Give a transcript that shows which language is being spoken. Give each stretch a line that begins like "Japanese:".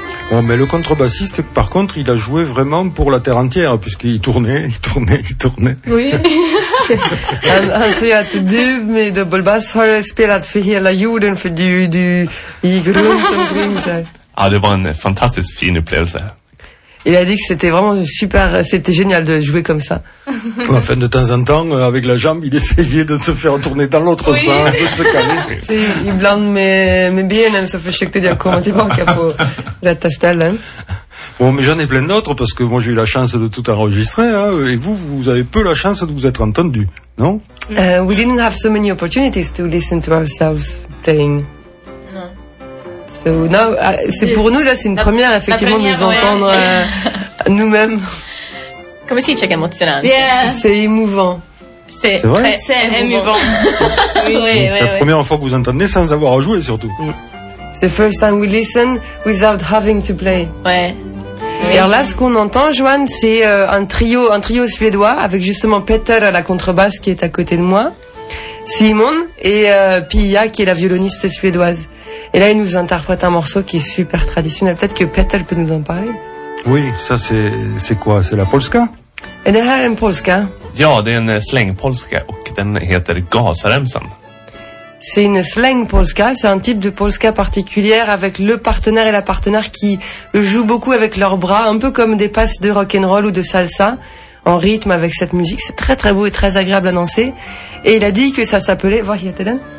French: Bon, mais le contrebassiste, par contre, il a joué vraiment pour la terre entière, puisqu'il tournait. Oui.
Swedish: Han säger att du med dubbelbass har spelat för hela jorden, för du gick runt omkring så här. Ja, det var en fantastiskt fin upplevelse.
French: Il a dit que c'était vraiment super, c'était génial de jouer comme ça. Enfin, de temps en temps, avec la jambe, il essayait de se faire tourner dans l'autre sens, de se caler.
Swedish: Si, ibland med benen så försökte jag komma tillbaka på rätta ställen.
French: Bon, mais j'en ai plein d'autres parce que moi j'ai eu la chance de tout enregistrer, hein, et vous avez peu la chance de vous être entendu, non?
English: We didn't have so many opportunities to listen to ourselves playing.
French: Non, c'est pour nous là, c'est une première effectivement de nous entendre nous-mêmes.
Italian: Come si dice che è emozionante.
English: Yeah.
French: C'est émouvant. C'est vrai. C'est émouvant. C'est la première fois que vous entendez sans avoir à jouer surtout. C'est la première fois que nous écoutons
English: without having to play.
French: Ouais. Et alors là, ce qu'on entend, Johan, c'est un trio suédois avec justement Peter à la contrebasse qui est à côté de moi, Simon et Pia qui est la violoniste suédoise. Et là, il nous interprète un morceau qui est super traditionnel. Peut-être que Peter peut nous en parler. Oui, ça c'est quoi? C'est la polska?
Swedish: Et det här är en polska? Ja, det är en slängpolska och den heter Gasremsan.
French: C'est une slängpolska, c'est un type de polska particulière avec le partenaire et la partenaire qui jouent beaucoup avec leurs bras, un peu comme des passes de rock'n'roll ou de salsa, en rythme avec cette musique. C'est très très beau et très agréable à danser. Et il a dit que ça s'appelait...
Swedish: Vad heter den?